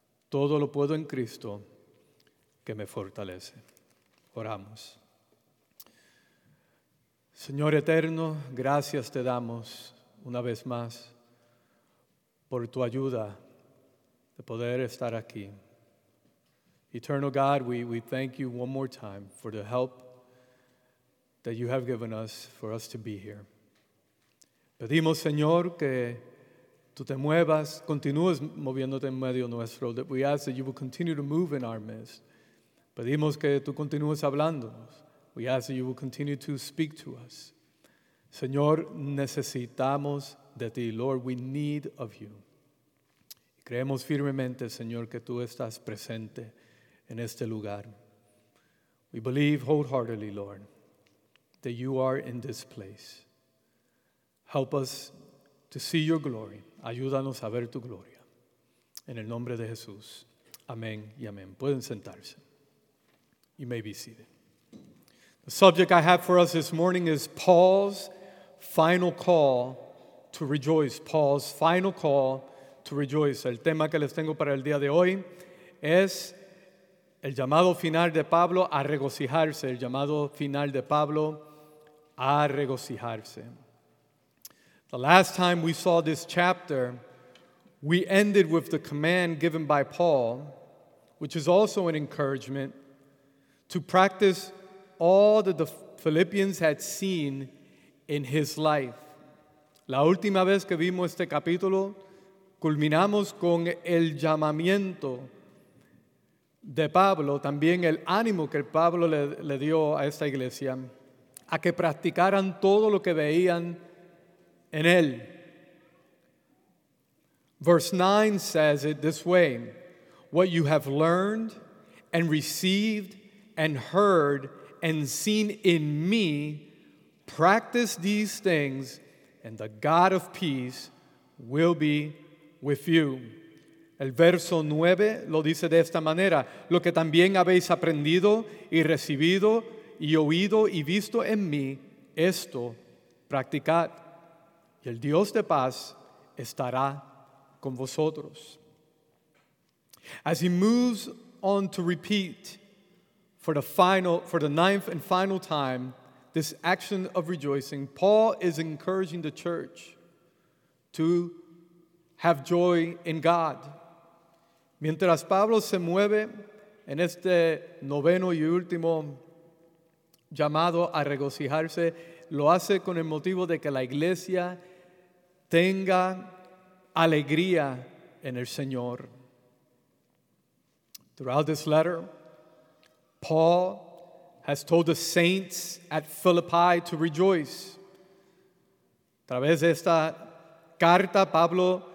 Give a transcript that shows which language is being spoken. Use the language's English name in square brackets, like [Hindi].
[Spanish] Todo lo puedo en Cristo que me fortalece. Oramos. Señor eterno, gracias te damos una vez más por tu ayuda de poder estar aquí. [English] Eternal God, we thank you one more time for the help that you have given us for us to be here. [Spanish] Pedimos, Señor, que tú te muevas, continúes moviéndote en medio nuestro, [English] that we ask that you will continue to move in our midst. [Spanish] Pedimos que tú continúes hablándonos. [English] We ask that you will continue to speak to us. [Spanish] Señor, necesitamos de ti. [English] Lord, we need of you. [Spanish] Creemos firmemente, Señor, que tú estás presente en este lugar. [English] We believe wholeheartedly, Lord, that you are in this place. Help us to see your glory. [Spanish] Ayúdanos a ver tu gloria. En el nombre de Jesús. Amén y amén. Pueden sentarse. [English] You may be seated. The subject I have for us this morning is Paul's final call to rejoice. Paul's final call to rejoice. [Spanish] El tema que les tengo para el día de hoy es el llamado final de Pablo a regocijarse. El llamado final de Pablo a regocijarse. [English] The last time we saw this chapter, we ended with the command given by Paul, which is also an encouragement to practice all that the Philippians had seen in his life. [Spanish] La última vez que vimos este capítulo, culminamos con el llamamiento de Pablo, también el ánimo que Pablo le dio a esta iglesia, a que practicaran todo lo que veían en él. [English] Verse 9 says it this way: What you have learned and received and heard and seen in me, practice these things, and the God of peace will be with you. [Spanish] El verso 9 lo dice de esta manera: Lo que también habéis aprendido y recibido y oído y visto en mí, esto practicad, y el Dios de paz estará con vosotros. [English] As he moves on to repeat for the ninth and final time this action of rejoicing, Paul is encouraging the church to have joy in God. [Spanish] Mientras Pablo se mueve en este noveno y último llamado a regocijarse, lo hace con el motivo de que la iglesia tenga alegría en el Señor. [English] Throughout this letter, Paul has told the saints at Philippi to rejoice. [Spanish] A través de esta carta, Pablo